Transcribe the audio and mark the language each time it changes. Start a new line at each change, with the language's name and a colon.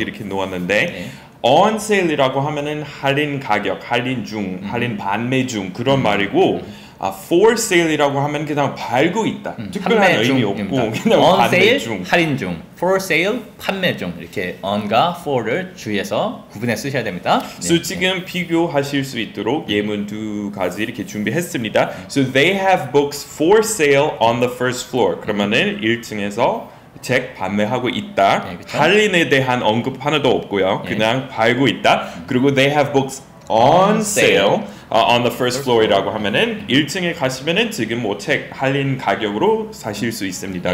Korean: 이렇게 놓았는데 예. on sale이라고 하면은 할인 가격, 할인 중, 할인 판매 중 그런 말이고 for sale이라고 하면 그냥 팔고 있다. 특별한 의미 중입니다. 없고 그냥
English: on
Korean: 판매
English: sale,
Korean: 중. Halin 중. For sale, 판매 중. 이렇게 on과 for를 주의해서 구분해 쓰셔야 됩니다. So 네. 지금 비교하실 수 있도록 예문 두 가지 이렇게 준비했습니다.
English: So they have books for sale on the first floor.
Korean: 그러면은 1층에서 책 판매하고 있다. 네, 할인에 대한 언급 하나도 없고요. 그냥 네. 팔고 있다. 그리고
English: they have books on sale. On the first floor
Korean: 이라고 하면은 1층에 가시면은 지금 뭐 책 할인 가격으로 사실 수 있습니다.